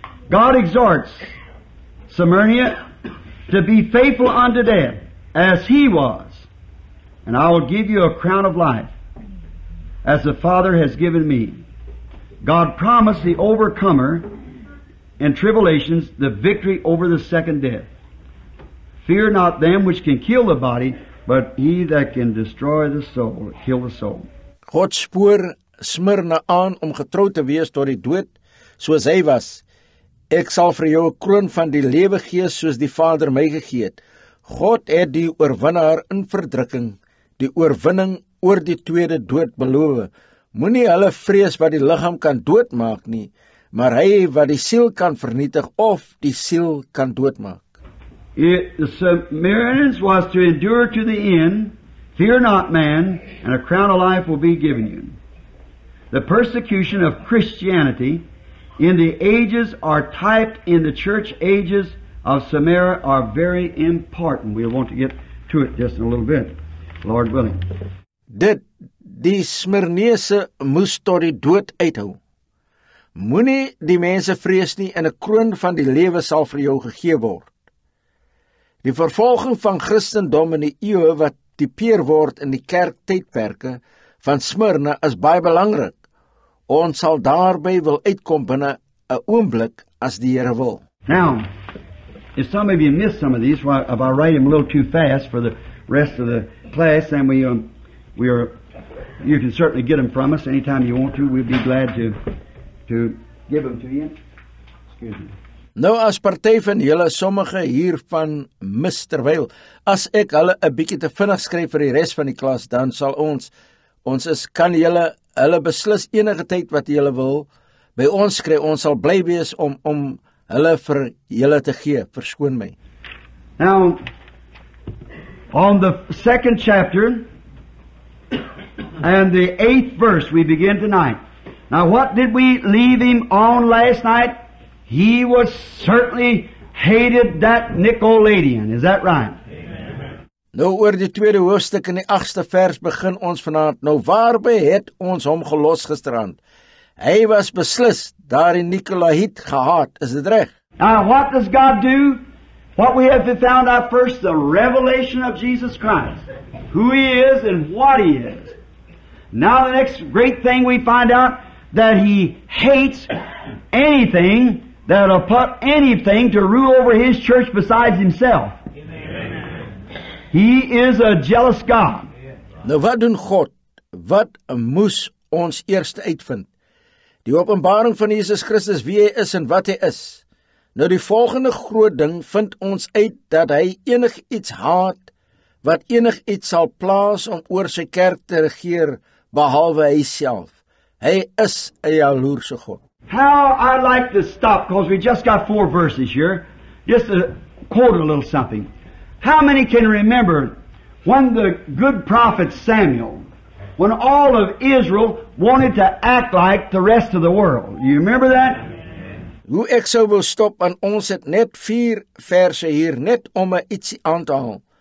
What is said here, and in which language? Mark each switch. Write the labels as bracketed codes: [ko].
[en] God exhorts Smyrna to be faithful unto death as he was, and I will give you a crown of life as the Father has given me. God promised the overcomer in tribulations the victory over the second death. Fear not them which can kill the body, but he that can destroy the soul, kill the soul. [af] God spoor Smyrna aan om getrou te wees tot die dood soos hy was. Ek sal vir jou 'n kroon van die lewe gee soos die Vader my gegee het. God het die oorwinnaar in verdrukking, die oorwinning oor die tweede dood beloof. Moenie hulle vrees wat die liggaam kan doodmaak nie, maar hy wat die siel kan vernietig of die siel kan doodmaak. [en] The Samaritans was to endure to the end, fear not man, and a crown of life will be given you. The persecution of Christianity in the ages are typed in the church ages of Samaria are very important. We want to get to it just in a little bit, Lord willing. [af] Dit, die Smyrnese moes tot die dood uithou. Moenie die mense vrees nie en 'n kroon van die lewe sal vir jou gegee word. Die vervolging van Christendom in die eeue wat tipeer word in die kerktydperke van Smyrna is baie belangrik. Ons sal daarby wil uitkom binne 'n oomblik as die Here wil. [en] Now, if some of you missed some of these, why, if I write them a little too fast for the rest of the class, then you can certainly get them from us anytime you want to. We'd be glad to give them to you. Excuse me. [af] Nou, as party van julle sommige hiervan mis terwyl, as ek hulle 'n bietjie te vinnig skryf vir die res van die klas, dan sal kan julle hulle beslis enige tyd wat julle wil by ons kry. Ons sal bly wees om hulle vir julle te gee. Verskoon my. [en] Now, on the second chapter and the eighth verse we begin tonight. Now what did we leave him on last night? He was certainly hated that Nicolaitan. Is that right? [af] Nou oor die tweede hoofstuk in die agste vers begin ons vanavond. Nou waarby het ons hom gelos gisterand? Hy was beslis daar in Nicolaït gehaat. Is dit reg? [en] Now what does God do? What we have found out first, the revelation of Jesus Christ. Who he is and what he is. Now the next great thing we find out, that he hates anything that will put anything to rule over his church besides himself. He is a jealous God. [af] Nou wat doen God? Wat moes ons eerst uitvind? Die openbaring van Jesus Christus, wie hy is en wat hy is. Nou die volgende groot ding vind ons uit dat hy enig iets haat, wat enig iets sal plaas om oor sy kerk te regeer, behalwe hy self. Hy is 'n jaloerse God. [en] How I like to stop, because we just got four verses here, just to quote a little something. How many can remember when the good prophet Samuel, when all of Israel wanted to act like the rest of the world? You remember that? [af] Hoe ek sou wil stop, want ons het net vier verse hier, net om ietsie aan te haal.